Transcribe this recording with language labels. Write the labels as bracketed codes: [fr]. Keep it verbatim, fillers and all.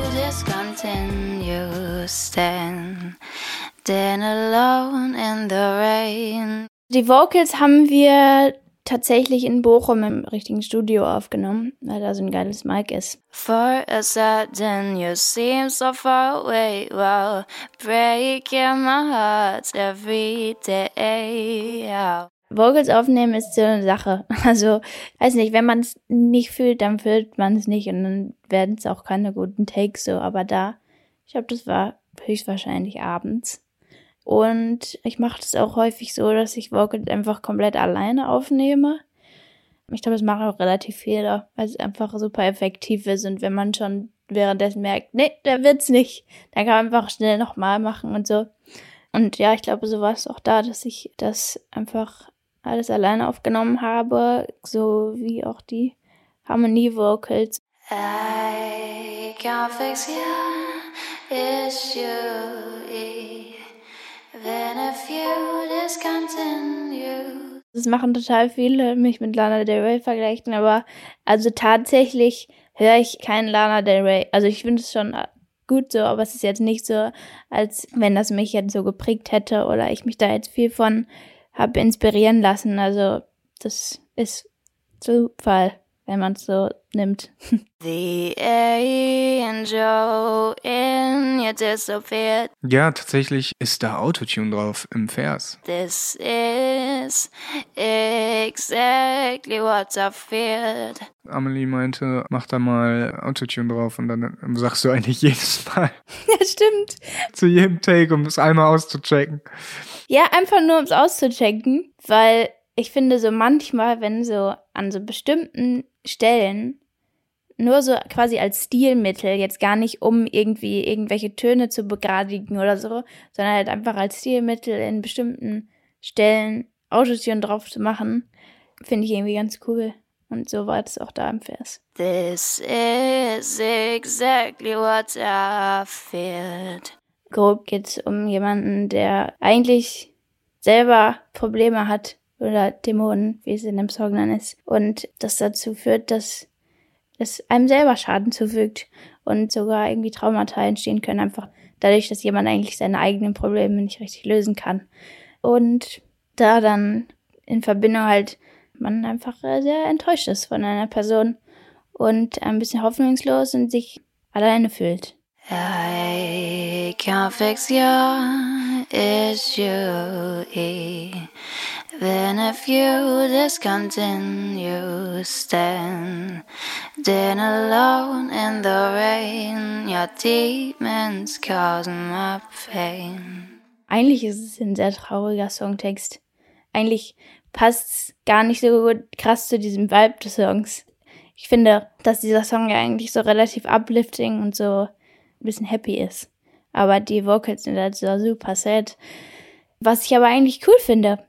[en] stand, then alone in the rain. [de] Die Vocals haben wir tatsächlich in Bochum im richtigen Studio aufgenommen, weil da so ein geiles Mic ist. [en] For a sudden you seem so far away, wow, breaking my heart every day. Yeah. [de] Vocals aufnehmen ist so eine Sache. Also, weiß nicht, wenn man es nicht fühlt, dann fühlt man es nicht und dann werden es auch keine guten Takes so. Aber da, ich glaube, das war höchstwahrscheinlich abends. Und ich mache das auch häufig so, dass ich Vocals einfach komplett alleine aufnehme. Ich glaube, das machen auch relativ viele, weil es einfach super effektiv ist. Und wenn man schon währenddessen merkt, nee, da wird's nicht, dann kann man einfach schnell nochmal machen und so. Und ja, ich glaube, so war es auch da, dass ich das einfach alles alleine aufgenommen habe, so wie auch die Harmonie-Vocals. [en] I can fix your issue, even if you discontinue. [de] Das machen total viele, mich mit Lana Del Rey vergleichen, aber also tatsächlich höre ich keinen Lana Del Rey. Also ich finde es schon gut so, aber es ist jetzt nicht so, als wenn das mich jetzt so geprägt hätte oder ich mich da jetzt viel von habe inspirieren lassen. Also das ist Zufall, wenn man es so nimmt. [en] The angel in you disappeared. [de] Ja, tatsächlich ist da Autotune drauf im Vers. [en] This is exactly what I feared. [de] Amelie meinte, mach da mal Autotune drauf und dann sagst du eigentlich jedes Mal. Ja, stimmt. Zu jedem Take, um es einmal auszuchecken. Ja, einfach nur, um es auszuchecken, weil ich finde so manchmal, wenn so an so bestimmten Stellen nur so quasi als Stilmittel, jetzt gar nicht um irgendwie irgendwelche Töne zu begradigen oder so, sondern halt einfach als Stilmittel in bestimmten Stellen Autotune drauf zu machen, finde ich irgendwie ganz cool. Und so war das auch da im Vers. [en] This is exactly what I feared. [de] Grob geht's um jemanden, der eigentlich selber Probleme hat oder Dämonen, wie es in dem Song dann ist. Und das dazu führt, dass es einem selber Schaden zufügt und sogar irgendwie Traumata entstehen können, einfach dadurch, dass jemand eigentlich seine eigenen Probleme nicht richtig lösen kann. Und da dann in Verbindung halt man einfach sehr enttäuscht ist von einer Person und ein bisschen hoffnungslos und sich alleine fühlt. [en] I can't fix your issue, even if you discontinue stand, then alone in the rain, your demons cause my pain. [de] Eigentlich ist es ein sehr trauriger Songtext. Eigentlich passt gar nicht so gut, krass zu diesem Vibe des Songs. Ich finde, dass dieser Song ja eigentlich so relativ uplifting und so ein bisschen happy ist. Aber die Vocals sind halt so super sad. Was ich aber eigentlich cool finde.